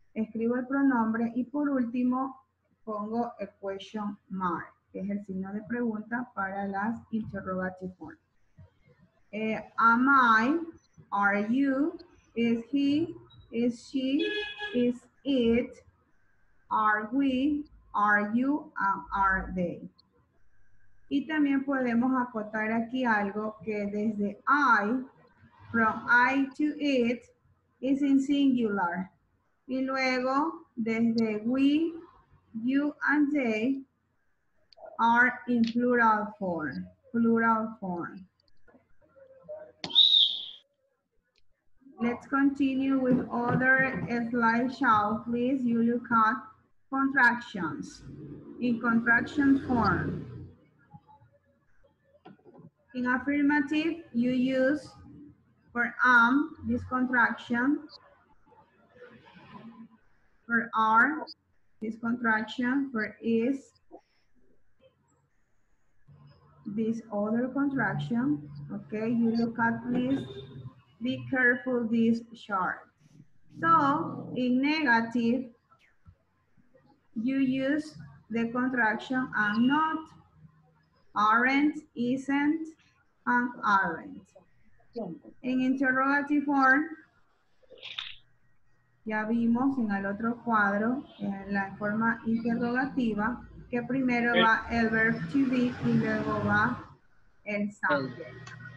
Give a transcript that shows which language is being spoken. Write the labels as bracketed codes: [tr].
[es] Escribo el pronombre y por último pongo el question mark, que es el signo de pregunta para las interrogative forms. [en] Am I? Are you? Is he? Is she, is it, are we, are you, are they. [es] Y también podemos acotar aquí algo que desde I, [en] from I to it, is in singular. [es] Y luego desde [en] we, you and they, are in plural form. Plural form. Let's continue with other slideshow, please. You look at contractions. In contraction form. In affirmative, you use for am, this contraction. For are, this contraction. For is, this other contraction. Okay, you look at please. Be careful this chart. So, in negative, you use the contraction am not, aren't, isn't, and aren't. [es] In interrogative form, ya vimos en el otro cuadro, en la forma interrogativa, que primero va el verb to be y luego va el subject.